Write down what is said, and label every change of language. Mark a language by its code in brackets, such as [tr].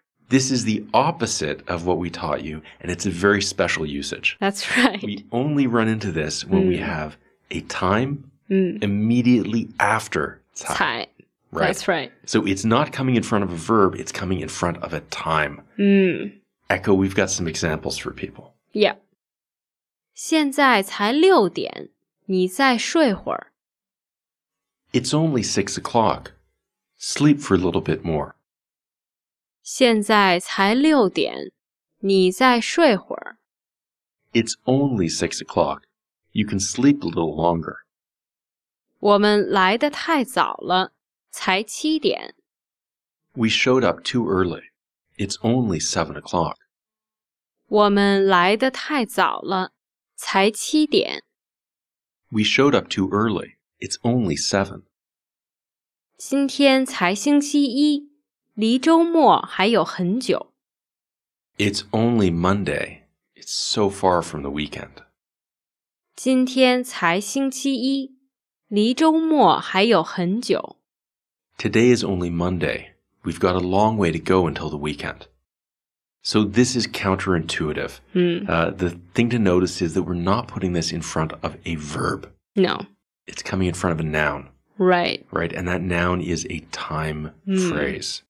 [en] This is the opposite of what we taught you, and it's a very special usage. That's right. We only run into this when we have a time immediately after [zh] 才. [en] Right. That's right. So it's not coming in front of a verb, it's coming in front of a time. Echo, we've got some examples for people. Yeah. [zh] 现在才六点,你再睡会儿。 [en] It's only 6 o'clock. Sleep for a little bit more. [zh] 现在才六点,你再睡会儿。 [en] It's only 6 o'clock. You can sleep a little longer. [zh] 我们来得太早了,才七点。 [en] We showed up too early. It's only 7 o'clock. [zh] 我们来得太早了。才七点。 [en] We showed up too early. It's only 7. [zh] 今天才星期一,离周末还有很久。 [en] It's only Monday. It's so far from the weekend. [zh] 今天才星期一，离周末还有很久。 [en] Today is only Monday. We've got a long way to go until the weekend. So this is counterintuitive. The thing to notice is that we're not putting this in front of a verb. No. It's coming in front of a noun. Right. Right, and that noun is a time phrase.